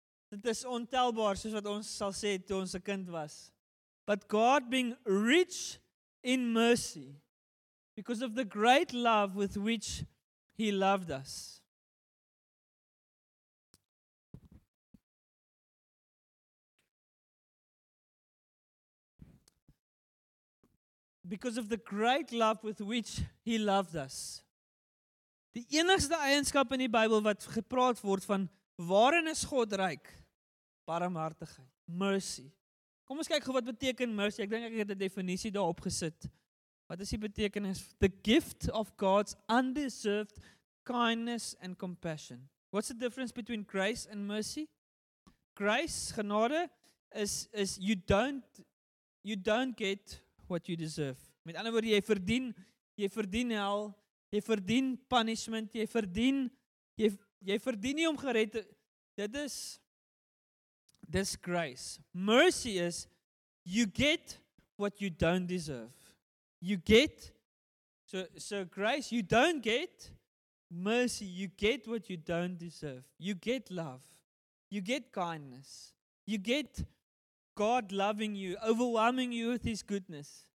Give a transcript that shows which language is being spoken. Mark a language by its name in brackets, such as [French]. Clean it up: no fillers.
[Afrikaans] Dit is ontelbaar, soos wat ons sal sê toe ons 'n kind was. [English] But God being rich in mercy, because of the great love with which he loved us. Because of the great love with which he loved us. [Afrikaans] Die enigste eienskap in die Bybel wat gepraat word van waarin is God ryk? Barmhartigheid, mercy. Kom ons kyk gou wat beteken mercy. Ek dink ek het 'n definisie daarop gesit. Wat is die betekenis? [English] The gift of God's undeserved kindness and compassion. What's the difference between grace and mercy? Grace, genade, is you don't get what you deserve. [Afrikaans] Met ander woorde, jy verdien hel, jy verdien punishment, jy verdien nie om gered te. Dit is grace. [English] Mercy is you get what you don't deserve. You get, so grace, you don't get mercy, you get what you don't deserve. You get love, you get kindness, you get God loving you, overwhelming you with his goodness.